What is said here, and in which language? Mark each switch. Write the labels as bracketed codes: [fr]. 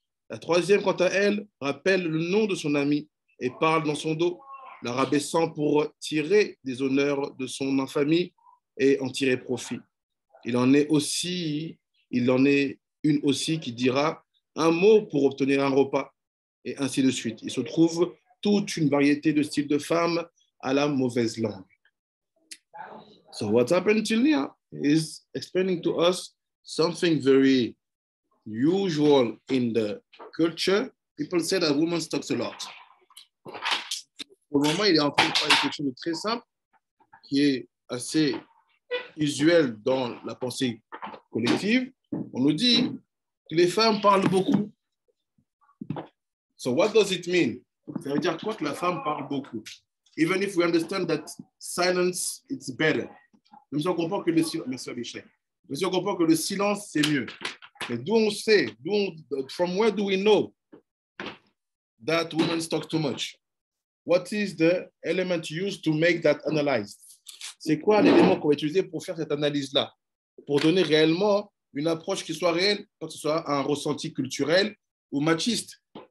[fr] La troisième, quant à elle, rappelle le nom de son ami et parle dans son dos, la rabaissant pour tirer des honneurs de son infamie et en tirer profit. Il en est une aussi qui dira un mot pour obtenir un repas, et ainsi de suite. Il se trouve toute une variété de styles de femmes à la mauvaise langue. [en] So what happened to Leah is explaining to us something very usual in the culture. People say that women talk a lot. [fr] Pour le moment, il est en train de parler de quelque chose de très simple qui est assez usuel dans la pensée collective. On nous dit que les femmes parlent beaucoup. [en] So what does it mean? [fr] Ça veut dire quoi que la femme parle beaucoup? [en] Even if we understand that silence is better. [fr] Même si on comprend que le silence, monsieur Michel, même si on comprend que le silence c'est mieux. Mais d'où on sait, [en] from where do we know that women talk too much? What is the element used to make that analyze? [fr] C'est quoi l'élément qu'on va utiliser pour faire cette analyse-là? Pour donner réellement une approche qui soit réelle, que ce soit un ressenti culturel ou machiste.